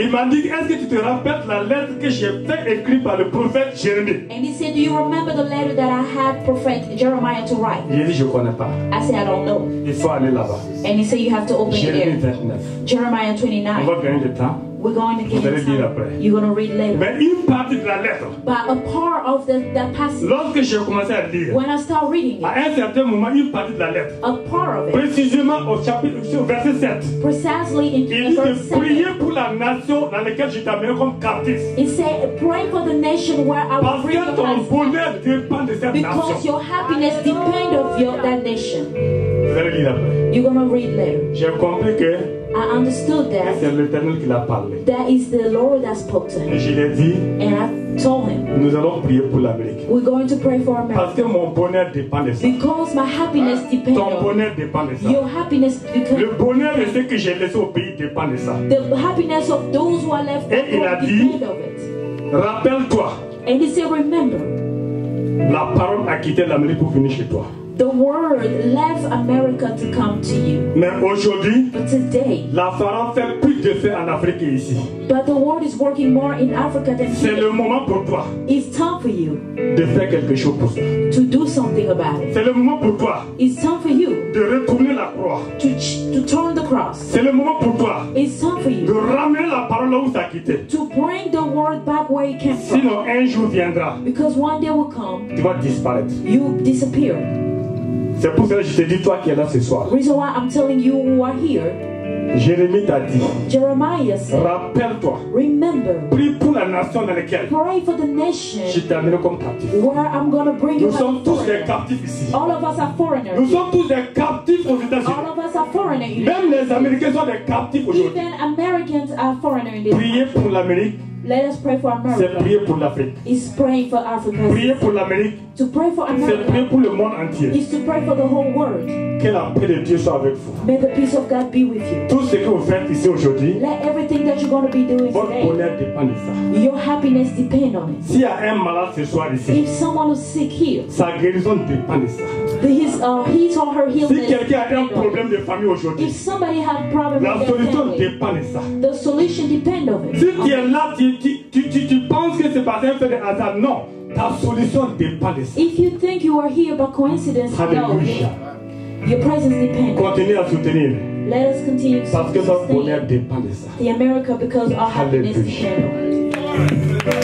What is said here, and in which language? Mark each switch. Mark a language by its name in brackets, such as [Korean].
[French] Il m'a dit, est-ce que tu te rappelles la lettre que j'ai fait écrite par le prophète Jérémie? [English] And he said, do you remember the letter that I had prophet Jeremiah to write? [French] Il dit, je connais pas. [English] I said, I don't know. [French] Il faut aller là-bas. [English] And he said, you have to open [French] Jérémie [English] it there. [French] 29. [English] Jeremiah 29. [French] On va gagner le temps. [English] We're going to get it. You're going to read later. [French] Mais une partie de la lettre, [English] but a part of that passage, [French] lorsque j'ai commencé à lire, [English] when I start reading it, [French] à un certain moment, une partie de la lettre, [English] a part of it, [French] précisément au chapitre, au verset 7, [English] precisely in the verse 7, [French] il dit, priez pour la nation dans laquelle je t'amène comme captif. [English] He said, pray for the nation where I will bring you as captive. [French] Parce que ton bonheur dépend de cette [English] because [French] nation. [English] Because your happiness depends of your, that nation. [French] Vous allez lire après. [English] You're going to read later. [French] J'ai compris que [English] I understood that [French] c'est l'Éternel qui l'a parlé. [English] That is the Lord that spoke to him. [French] Et je l'ai dit, [English] and I told him, [French] nous allons prier pour l'Amérique. [English] We're going to pray for America. [French] Parce que mon bonheur dépend de ça. [English] Because my happiness depends. [French] Ton bonheur dépend de ça. [English] Your happiness depends. [French] Le bonheur de ceux que j'ai laissé au pays dépend de ça. [English] The happiness of those who are left [French] et il a dit, [English] depend of it. [French] Rappelle-toi. [English] And he said, remember. [French] La parole a quitté l'Amérique pour venir chez toi. [English] The word left America to come to you. [French] Mais aujourd'hui, [English] but today, [French] la pharaon fait plus de feu en Afrique ici. [English] But the word is working more in Africa than [French] c'est [English] here. [French] Le moment pour toi. [English] It's time for you [French] de faire quelque chose pour ça. [English] To do something about it. [French] C'est le moment pour toi. [English] It's time for you [French] de retourner la croix. [English] To turn the cross. [French] C'est le moment pour toi. [English] It's time for you [French] de ramener la parole là où t'as quitté. [English] To bring the word back where it came [French] sinon, [English] from. [French] Sinon, un jour viendra. [English] Because one day will come. [French] Tu vas disparaître. [English] You disappear. [French] C'est pour ça que je te dis toi qui es là ce soir. [English] Reason why I'm telling you who are here. [French] Jérémie t'a dit. [English] Jeremiah said. [French] Rappelle-toi. [English] Remember. [French] Prie pour la nation dans laquelle. [English] Pray for the nation. [French] Je t'amène comme captif. [English] Where I'm gonna bring [French] nous [English] you. [French] Nous sommes tous des captifs ici. [English] All of us are foreigners. [French] Nous sommes tous des captifs aux États-Unis. [English] All of us are foreigners. [French] Même les Américains sont des captifs aujourd'hui. [English] Even Americans are foreigners. [French] Priez pour l'Amérique. [English] Let us pray for America. [French] C'est prier pour l'Afrique. [English] It's praying for Africa. [French] Prier pour l'Amérique. [English] To pray for America. [French] C'est prier pour le monde entier. [English] It's to pray for the whole world. [French] Que la paix de Dieu soit avec vous. [English] May the peace of God be with you. [French] Tout ce que vous faites ici aujourd'hui. [English] Let everything that you're going to be doing today. [French] Votre bonheur dépend de ça. [English] Your happiness depends on it. [French] S'il y a un malade ce soir ici. [English] If someone is sick here. [French] Sa guérison dépend de ça. [English] His or her healing. [French] Si quelqu'un a un problème de famille aujourd'hui. [English] If somebody has problems with their family. [French] La solution dépend de ça. [English] The solution depends on it. [French] Si tu es là, tu penses que c'est pas un fait de hasard. Non. Ta solution dépend de ça. [English] If you think you are here by coincidence. Alléluia. Your presence depends. [French] Continue à soutenir. [English] Let us continue to [French] parce que [English] sustain [French] notre bonheur dépend de ça. [English] The America because our happiness depends on it.